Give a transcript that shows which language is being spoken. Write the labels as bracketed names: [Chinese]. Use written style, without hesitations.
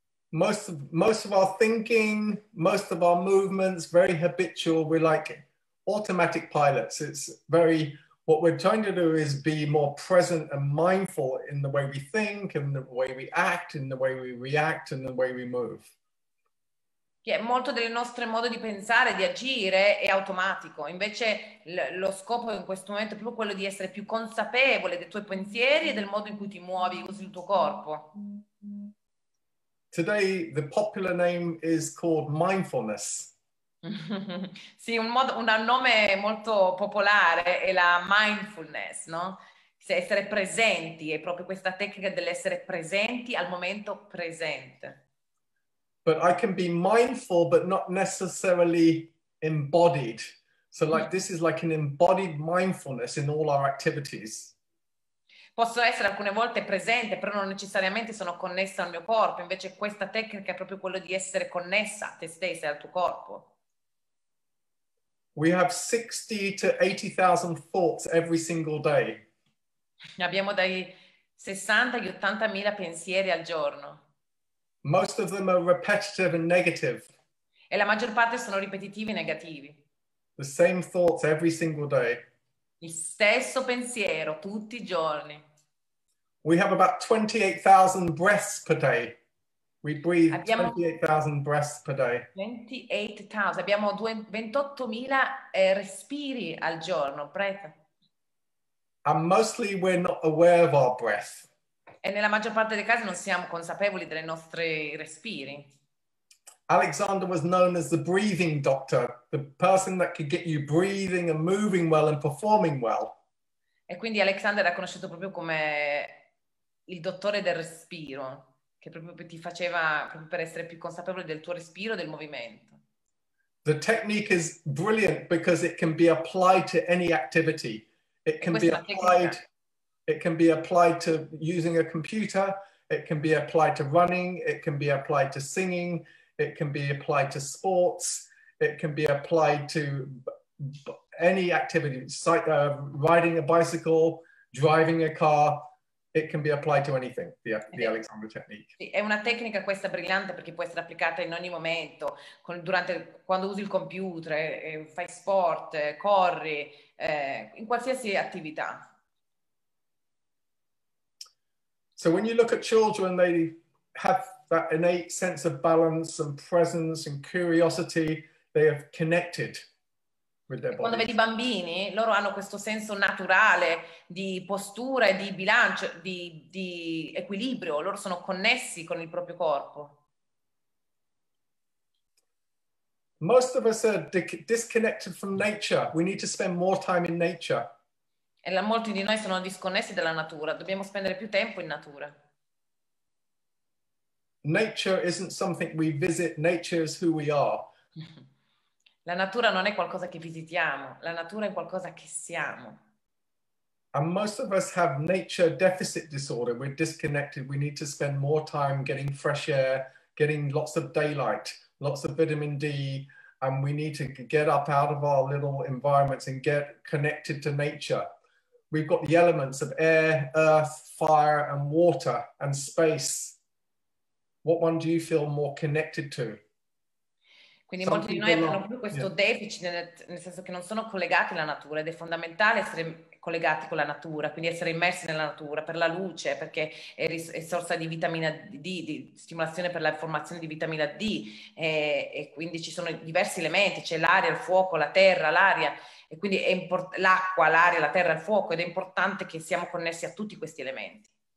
[English] Most of our thinking, most of our movements, very habitual. We're like automatic pilots. What we're trying to do is be more present and mindful in the way we think and the way we act, in the way we react and the way we move. [Italian] Che molto del nostro modo di pensare, di agire, è automatico. Invece lo scopo in questo momento è proprio quello di essere più consapevole dei tuoi pensieri e del modo in cui ti muovi, usi il tuo corpo. [English] Today the popular name is called mindfulness. [Italian] Sì, un nome molto popolare è la mindfulness, no? Se essere presenti, è proprio questa tecnica dell'essere presenti al momento presente. [English] But I can be mindful, but not necessarily embodied. So like this is like an embodied mindfulness in all our activities. [Italian] Posso essere alcune volte presente, però non necessariamente sono connessa al mio corpo. Invece questa tecnica è proprio quello di essere connessa a te stessa e al tuo corpo. [English] We have 60 to 80,000 thoughts every single day. [Italian] Abbiamo dai 60 agli 80,000 pensieri al giorno. [English] Most of them are repetitive and negative. [Italian] E la maggior parte sono ripetitivi e negativi. [English] The same thoughts every single day. [Italian] Il stesso pensiero tutti i giorni. [English] We have about 28,000 breaths per day. We breathe 28,000 breaths per day. [Italian] 28,000. Abbiamo 28,000 respiri al giorno, breath. [English] And mostly we're not aware of our breath. [Italian] E nella maggior parte dei casi non siamo consapevoli dei nostri respiri. [English] Alexander was known as the breathing doctor, the person that could get you breathing and moving well and performing well. [Italian] E quindi Alexander era conosciuto proprio come il dottore del respiro, che proprio ti faceva, proprio per essere più consapevole del tuo respiro e del movimento. [English] The technique is brilliant because it can be applied to any activity. It can be applied to using a computer, it can be applied to running, it can be applied to singing, It can be applied to sports. It can be applied to any activity, riding a bicycle, driving a car. It can be applied to anything, the Alexander technique. [Italian] È una tecnica questa brillante perché può essere applicata in ogni momento, quando usi il computer, fai sport, corri, in qualsiasi attività. [English] So when you look at children, they have that innate sense of balance and presence and curiosity. They have connected with their body. [Italian] Quando vedi i bambini, loro hanno questo senso naturale di postura e di bilancio, di equilibrio. Loro sono connessi con il proprio corpo. [English] Most of us are disconnected from nature. We need to spend more time in nature. [Italian] E molti di noi sono disconnessi dalla natura. Dobbiamo spendere più tempo in natura. [English] Nature isn't something we visit. Nature is who we are. [Italian] La natura non è qualcosa che visitiamo, la natura è qualcosa che siamo. [English] And most of us have nature deficit disorder. We're disconnected. We need to spend more time getting fresh air, getting lots of daylight, lots of vitamin D, and we need to get up out of our little environments and get connected to nature. We've got the elements of air, earth, fire, and water, and space. What one do you feel more connected to? [Italian] Quindi molti di noi hanno proprio questo deficit, nel senso che non sono collegati alla natura ed è fondamentale essere collegati con la natura, quindi essere immersi nella natura per la luce, perché è sorta di vitamina D, di stimolazione per la formazione di vitamina D e quindi ci sono diversi elementi, c'è l'aria, il fuoco, la terra, l'aria e quindi è l'acqua, l'aria, la terra, il fuoco ed è importante che siamo connessi a tutti questi elementi.